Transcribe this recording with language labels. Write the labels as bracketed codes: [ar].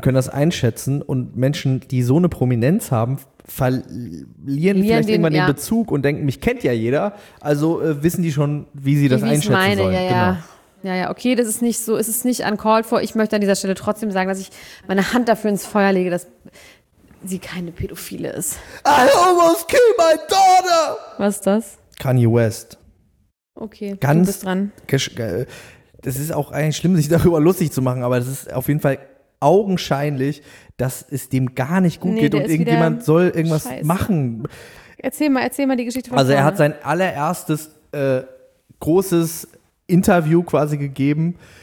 [de] können das einschätzen. Und Menschen, die so eine Prominenz haben, verlieren vielleicht irgendwann den Bezug und denken, mich kennt ja jeder. Also wissen die schon, wie sie das einschätzen sollen. Ja, ja. Genau. Ja, ja, okay, das ist nicht so, es ist nicht [en] uncalled for. [de] Ich möchte an dieser Stelle trotzdem sagen, dass ich meine Hand dafür ins Feuer lege, dass sie keine Pädophile ist. [en] I almost killed my daughter! [de] Was ist das? Kanye West. Okay, ganz, du bist dran. Das ist auch eigentlich schlimm, sich darüber lustig zu machen, aber das ist auf jeden Fall augenscheinlich, dass es dem gar nicht gut geht und irgendjemand soll irgendwas machen. Erzähl mal die Geschichte von Also er hat sein allererstes großes Interview quasi gegeben.